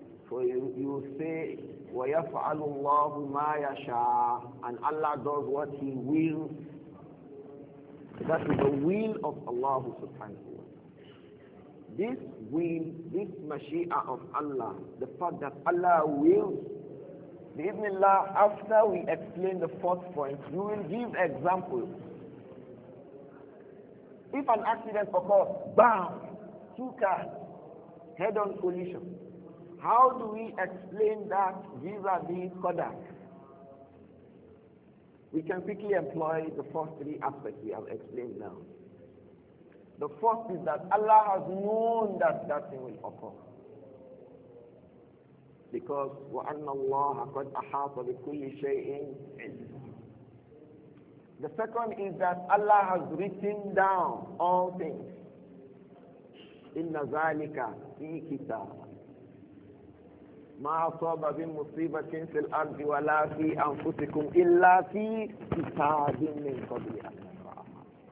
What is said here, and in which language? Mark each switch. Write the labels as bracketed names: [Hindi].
[English] So you say, [Arabic] وَيَفْعَلُ اللَّهُ مَا يَشَاءُ. [English] And Allah does what He wills. That is the will of Allah subhanahu wa ta'ala. This will, this mashi'a of Allah, the fact that Allah wills, [Arabic] بإذن الله, [English] after we explain the fourth point, we will give examples. If an accident occurs, bam, two cars, head-on collision. How do we explain that vis-a-vis Qadr? We can quickly employ the first three aspects we have explained now. The first is that Allah has known that that thing will occur. Because [Arabic] وَأَنَّ اللَّهَ قَدْ أَحَاطَ بِكُلِّ شَيْءٍ عِلْمًا. [English] The second is that Allah has written down all things. [Arabic] إِنَّ ذَلِكَ فِي كِتَابٍ. مَا أَصَابَ بِمُصِيبَةٍ فِي الْأَرْضِ وَلَا فِي أَنفُسِكُمْ إِلَّا فِي كِتَابٍ مِنْ قَبْلِ أَن تَبْرَأَهَا.